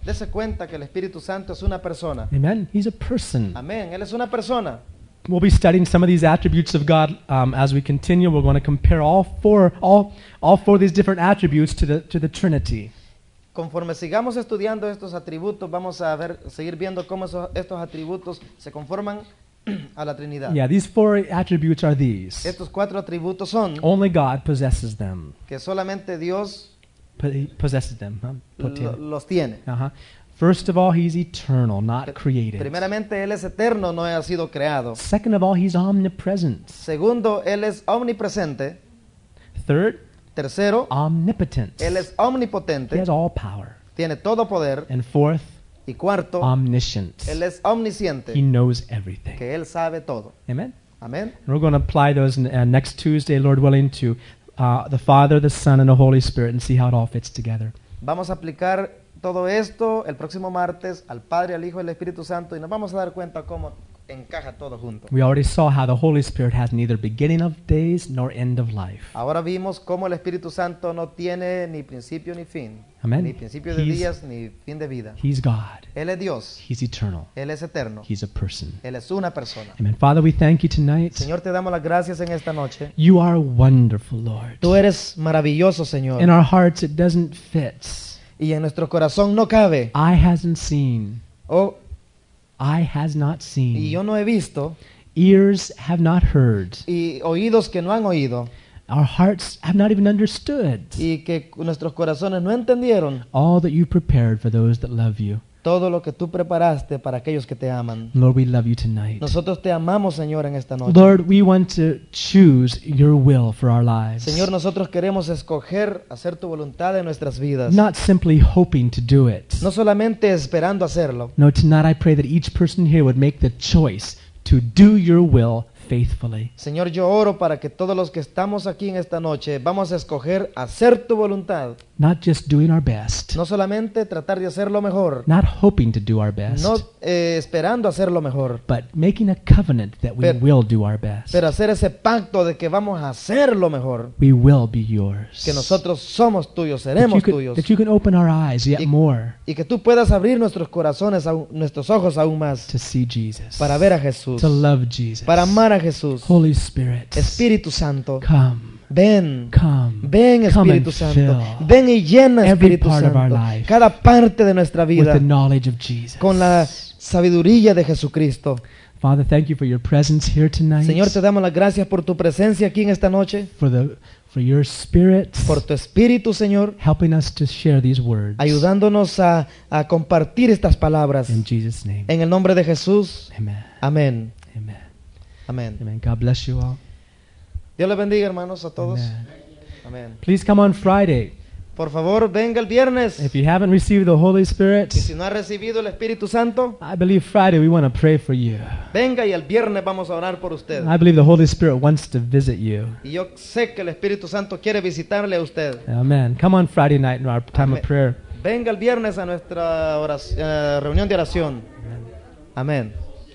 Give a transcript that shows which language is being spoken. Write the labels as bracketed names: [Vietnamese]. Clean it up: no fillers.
[Spanish] Dese cuenta que el Espíritu Santo es una persona. [English] Amen. He's a person. [Spanish] Amen. Él es una persona. [English] We'll be studying some of these attributes of God as we continue. We're going to compare all four of these different attributes to the Trinity. [Spanish] Conforme sigamos estudiando estos atributos, vamos a ver, seguir viendo cómo estos atributos se conforman a la Trinidad. [English] Yeah, these four attributes are these. [Spanish] Estos cuatro atributos son. [English] Only God possesses them. [Spanish] Que solamente Dios [English] possesses them. [Spanish] Los tiene. Uh-huh. [English] First of all, he's eternal, not created. [Spanish] Primeramente, él es eterno, no ha sido creado. [English] Second of all, he's omnipresent. [Spanish] Segundo, él es omnipresente. [English] Third, [Spanish] tercero, [English] omnipotent. [Spanish] Él es omnipotente. [English] He has all power. [Spanish] Tiene todo poder. [English] And fourth, [Spanish] y cuarto, [English] omniscient. [Spanish] Él es omnisciente. [English] He knows everything. [Spanish] Que él sabe todo. [English] Amen. [Spanish] Amen. [English] And we're going to apply those next Tuesday, Lord willing, to the Father, the Son, and the Holy Spirit, and see how it all fits together. [Spanish] Vamos a aplicar todo esto el próximo martes al Padre, al Hijo y al Espíritu Santo y nos vamos a dar cuenta cómo encaja todo junto. [English] We already saw how the Holy Spirit has neither beginning of days nor end of life. [Spanish] Ahora vimos cómo el Espíritu Santo no tiene ni principio ni fin. [English] Amen. [Spanish] Ni principio de días ni fin de vida. [English] He's God. [Spanish] Él es Dios. [English] He's eternal. [Spanish] Él es eterno. [English] He's a person. [Spanish] Él es una persona. [English] Amen. Father, we thank you tonight. [Spanish] Señor, te damos las gracias en esta noche. [English] You are wonderful, Lord. [Spanish] Tú eres maravilloso, Señor. [English] In our hearts it doesn't fit. [Spanish] Y en nuestro corazón no cabe. [English] I hasn't seen. Oh, I has not seen. [Spanish] Y yo no he visto. [English] Ears have not heard. [Spanish] Y oídos que no han oído. [English] Our hearts have not even understood. [Spanish] Y que nuestros corazones no entendieron. [English] All that you prepared for those that love you. [Spanish] Todo lo que tú preparaste para aquellos que te aman. [English] Lord, we love you tonight. [Spanish] Nosotros te amamos, Señor, en esta noche. [English] Lord, we want to choose your will for our lives. [Spanish] Señor, nosotros queremos escoger hacer tu voluntad en nuestras vidas. [English] Not simply hoping to do it. [Spanish] No solamente esperando hacerlo. [English] No, tonight I pray that each person here would make the choice to do your will faithfully. [Spanish] Señor, yo oro para que todos los que estamos aquí en esta noche vamos a escoger hacer tu voluntad. [English] Not just doing our best. [Spanish] No solamente tratar de hacer lo mejor. [English] Not hoping to do our best. [Spanish] No esperando hacer lo mejor. [English] But making a covenant that we will do our best. [Spanish] Pero hacer ese pacto de que vamos a hacer lo mejor. [English] We will be yours. [Spanish] Que nosotros somos tuyos, seremos tuyos. [English] That you can open our eyes yet more. [Spanish] Y que tú puedas abrir nuestros corazones, nuestros ojos aún más. [English] To see Jesus. [Spanish] Para ver a Jesús. [English] To love Jesus. [Spanish] Para amar a Jesús. [English] Holy Spirit. [Spanish] Espíritu Santo. [English] Come. [Spanish] Ven, [English] come, [Spanish] ven Espíritu Santo, ven y llena Espíritu Santo, cada parte de nuestra vida con la sabiduría de Jesucristo. [English] Father, thank you for your presence here tonight. [Spanish] Señor, te damos las gracias por tu presencia aquí en esta noche. [English] For your spirit, [Spanish] por tu espíritu, Señor, [English] helping us to share these words, [Spanish] ayudándonos a compartir estas palabras. [English] In Jesus' name. [Spanish] En el nombre de Jesús. [English] Amen. [Spanish] Amen. Amen. Amen. [English] Amen. God bless you all. [Spanish] Dios le bendiga, hermanos, a todos. [English] Amen. Amen. Please come on Friday. [Spanish] Por favor, venga el viernes. [English] If you haven't received the Holy Spirit, [Spanish] y si no ha recibido el Espíritu Santo, [English] I believe Friday we want to pray for you. [Spanish] Venga y el viernes vamos a orar por usted. [English] I believe the Holy Spirit wants to visit you. [Spanish] Y yo sé que el Espíritu Santo quiere visitarle a usted. [English] Amen. Come on Friday night in our time Amen. Of prayer. [Spanish] Venga el viernes a nuestra reunión de oración. Amen. Amen.